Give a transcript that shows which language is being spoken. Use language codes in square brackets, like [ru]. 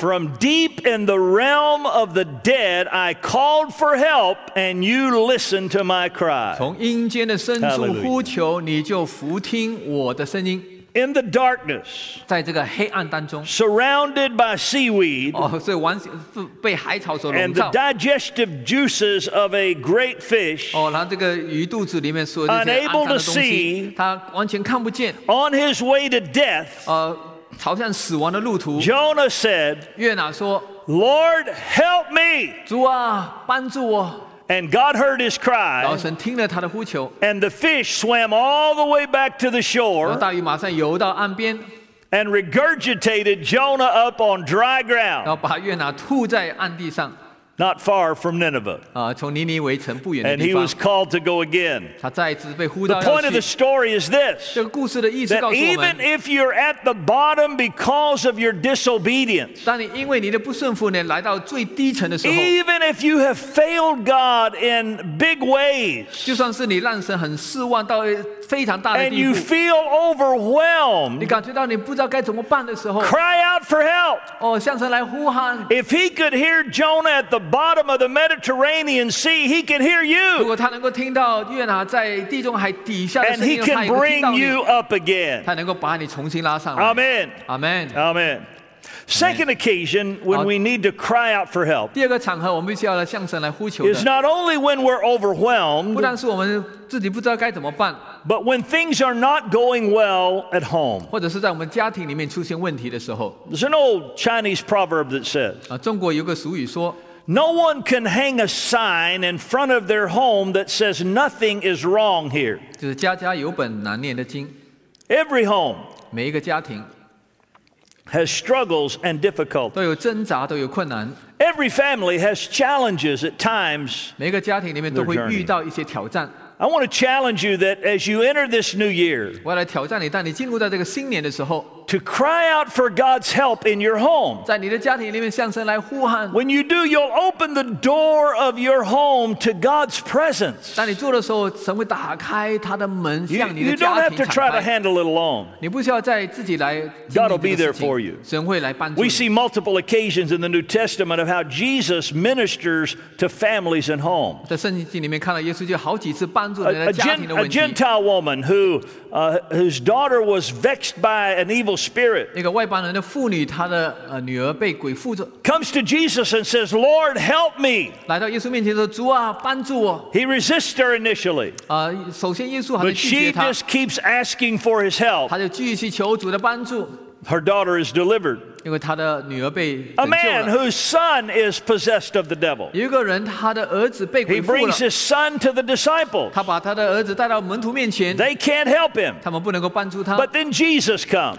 [en] From deep in the realm of the dead, I called for help, and you listened to my cry. [zh] 从阴间的深处呼求，你就俯听我的声音。 [en] In the darkness, [zh] 在这个黑暗当中, [en] surrounded by seaweed, [zh] 所以被海草所笼罩, [en] and the digestive juices of a great fish, [zh] 然后这个鱼肚子里面所有这些肮脏的东西, [en] unable to see, [zh] 他完全看不见, [en] on his way to death, [zh] 朝向死亡的路途, [en] Jonah said, [zh] 约拿说, [en] Lord, help me! [zh] 主啊, 帮助我。 [en] And God heard his cry. [zh] 然后神听了他的呼求, [en] and the fish swam all the way back to the shore. [zh] 然后大鱼马上游到岸边, [en] and regurgitated Jonah up on dry ground. [zh] 然后把约拿吐在岸地上, [en] not far from Nineveh. [zh] 从尼尼微城不远的地方, [en] and he was called to go again. [zh] 他再次被呼召要去, [en] the point of the story is this. [zh] 这个故事的意思告诉我们, [en] that even if you're at the bottom because of your disobedience, [zh] 当你因为你的不顺服来到最低层的时候, [en] even if you have failed God in big ways, [zh] 就算是你让神很失望到非常大的地步, [en] and you feel overwhelmed, [zh] 你感觉到你不知道该怎么办的时候, [en] cry out for help. [zh] 向神来呼喊, [en] if he could hear Jonah at the bottom of the Mediterranean Sea, he can hear you. And he can bring you up again. Amen. Amen. Amen. Second occasion when we need to cry out for help is not only when we're overwhelmed, but when things are not going well at home. There's an old Chinese proverb that says, No one can hang a sign in front of their home that says nothing is wrong here. [zh] 就是家家有本难念的经。 [en] Every home [zh] 每一个家庭 [en] has struggles and difficulties. [zh] 都有挣扎，都有困难。 [en] Every family has challenges at times. [zh] 每个家庭里面都会遇到一些挑战。 [en] I want to challenge you that as you enter this new year, [zh] 我要来挑战你，当你进入到这个新年的时候, [en] to cry out for God's help in your home. When you do, you'll open the door of your home to God's presence. [zh] 当你做的时候，神会打开他的门，向你的家庭敞开。 [en] You don't have to try to handle it alone. [zh] 你不需要再自己来经历这个事情, [en] God will be there for you. [zh] 神会来帮助你。 [en] We see multiple occasions in the New Testament of how Jesus ministers to families and homes. [zh] 在圣经里面看到耶稣就好几次帮助人的家庭的问题。 [en] A Gentile woman who whose daughter was vexed by an evil spirit, [zh] 那个外邦人的妇女，她的女儿被鬼附着, [en] comes to Jesus and says, Lord, help me. [zh] 来到耶稣面前说，主啊，帮助我。 [en] He resists her initially, [zh] 首先耶稣还是拒绝她, [en] but she just keeps asking for his help. [zh] 她就继续求主的帮助。 [en] Her daughter is delivered. A man whose son is possessed of the devil. He brings his son to the disciples. They can't help him. But then Jesus comes.